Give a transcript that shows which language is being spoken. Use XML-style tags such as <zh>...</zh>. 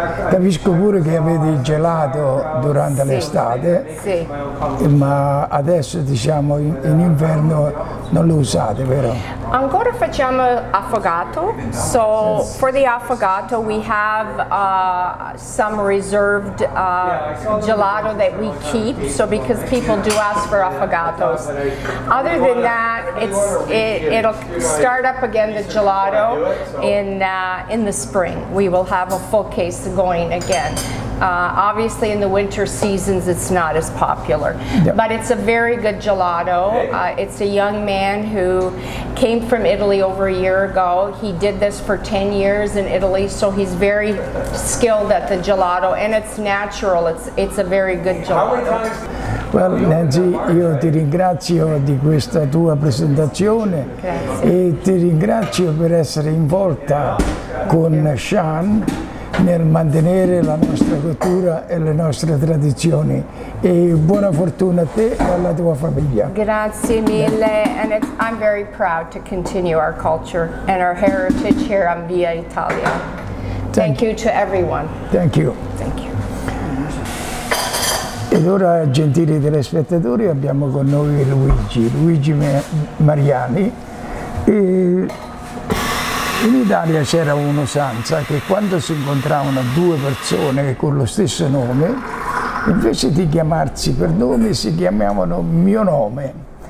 <it>Capisco pure che avete il gelato durante l'estate, sì. Ma adesso diciamo in inverno non lo usate, vero? Ancora facciamo affogato.</it> <en>So for the affogato we have some reserved gelato that we keep, so because people do ask for affogatos. Other than that, it'll start up again, the gelato, in the spring. We will have a full case going again. Obviously in the winter seasons it's not as popular, yeah. But it's a very good gelato. It's a young man who came from Italy over a year ago. He did this for 10 years in Italy, so he's very skilled at the gelato, and it's natural. It's a very good gelato.</en> <it>Well, Nancy, io ti ringrazio di questa tua presentazione. Grazie. E ti ringrazio per essere in volta con Sean nel mantenere la nostra cultura e le nostre tradizioni. E buona fortuna a te e alla tua famiglia. Grazie mille.</it> <en>And I'm very proud to continue our culture and our heritage here on Via Italia. Thank you to everyone. Thank you. Thank you.</en> <it>Ed ora, gentili telespettatori, abbiamo con noi Luigi Mariani. E in Italia c'era un'usanza che quando si incontravano due persone con lo stesso nome, invece di chiamarsi per nome si chiamavano mio nome.</it>